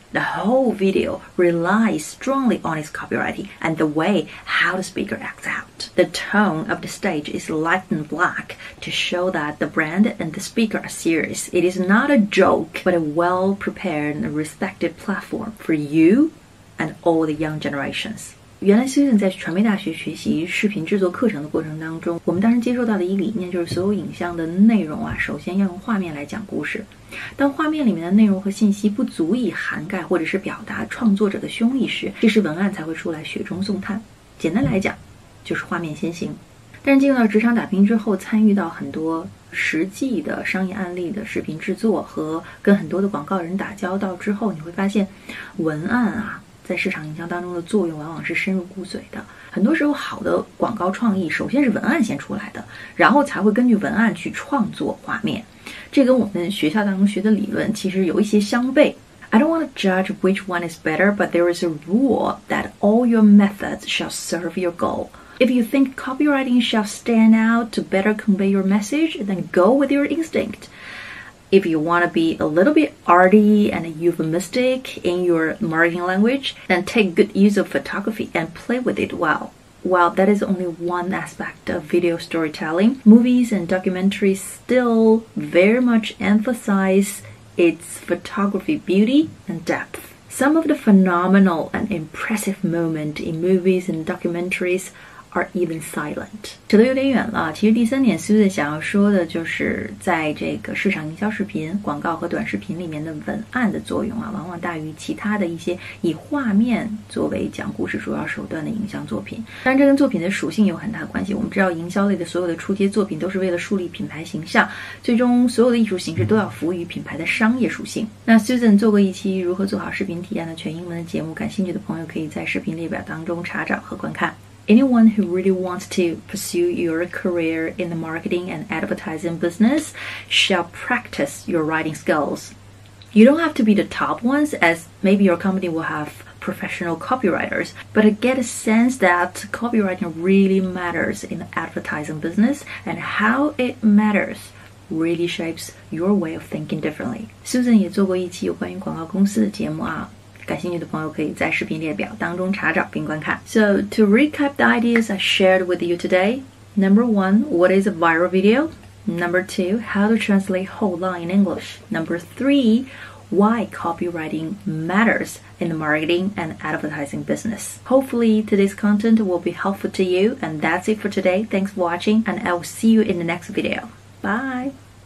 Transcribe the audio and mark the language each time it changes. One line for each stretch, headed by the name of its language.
English: The whole video relies strongly on his copywriting and the way how the speaker acts out. The tone of the stage is light and black to show that the brand and the speaker are serious. It is not a joke, but a well-prepared and respected platform for you and all the young generations.
Chinese: 原来 Susan 在传媒大学学习视频制作课程的过程当中，我们当时接受到的一理念就是所有影像的内容啊，首先要用画面来讲故事。当画面里面的内容和信息不足以涵盖或者是表达创作者的胸臆时，这时文案才会出来雪中送炭。简单来讲，就是画面先行。但是进入到职场打拼之后，参与到很多实际的商业案例的视频制作和跟很多的广告人打交道之后，你会发现文案啊在市场营销当中的作用往往是深入骨髓的。很多时候好的广告创意首先是文案先出来的，然后才会根据文案去创作画面。这跟我们学校当中学的理论其实有一些相悖。
English: I don't want to judge which one is better, but there is a rule that all your methods shall serve your goal. If you think copywriting shall stand out to better convey your message, then go with your instinct. If you want to be a little bit arty and euphemistic in your marketing language, then take good use of photography and play with it well. While that is only one aspect of video storytelling, movies and documentaries still very much emphasize its photography beauty and depth. Some of the phenomenal and impressive moments in movies and documentaries are even silent.
Chinese: 扯得有点远了。其实第三点 Susan 想要说的就是在这个市场营销视频、广告和短视频里面的文案的作用啊，往往大于其他的一些以画面作为讲故事主要手段的影像作品。当然这跟作品的属性有很大关系。我们知道营销类的所有的出街作品都是为了树立品牌形象，最终所有的艺术形式都要服务于品牌的商业属性。那 Susan 做过一期如何做好视频体验的全英文的节目，感兴趣的朋友可以在视频列表当中查找和观看。
English: anyone who really wants to pursue your career in the marketing and advertising business shall practice your writing skills. You don't have to be the top ones, as maybe your company will have professional copywriters, but I get a sense that copywriting really matters in the advertising business, and how it matters really shapes your way of thinking differently.
Chinese: Susan 也做过一期有关于广告公司的节目啊。感兴趣的朋友可以在视频列表当中查找并观看。
English: So, to recap the ideas I shared with you today, number one, what is a viral video? Number two, how to translate whole line in English? Number three, why copywriting matters in the marketing and advertising business. Hopefully, today's content will be helpful to you, and that's it for today. Thanks for watching, and I will see you in the next video. Bye!